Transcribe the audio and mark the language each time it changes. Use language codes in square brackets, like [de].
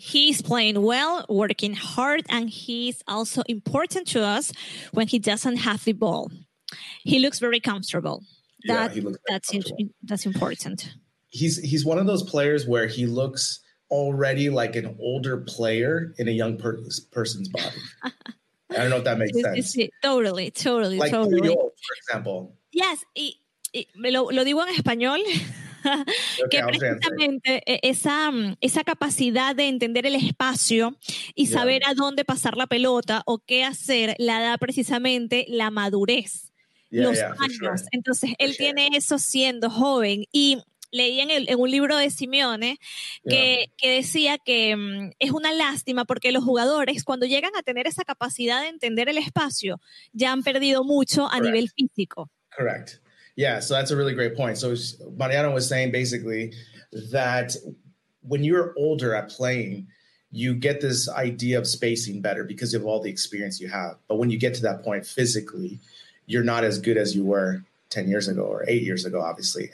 [en] He's playing well, working hard, and he's also important to us when he doesn't have the ball. He looks very comfortable. That's important. He's one of those players where he looks already like an older player in a young person's body. I don't know if that makes sense. Totally. Like Puyol, for example. [es] Yes, y lo digo en español, que precisamente esa capacidad de entender el espacio y saber a dónde pasar la pelota o qué hacer la da precisamente la madurez, los años. [en] For sure. [es] Entonces, él tiene eso siendo joven. Y leí en, el, en un libro de Simeone que, que decía que es una lástima porque los jugadores, cuando llegan a tener esa capacidad de entender el espacio, ya han perdido mucho a nivel físico. [en] Correct. Yeah, so that's a really great point. So Mariano was saying basically that when you're older at playing, you get this idea of spacing better because of all the experience you have. But when you get to that point physically, you're not as good as you were 10 years ago or 8 years ago, obviously.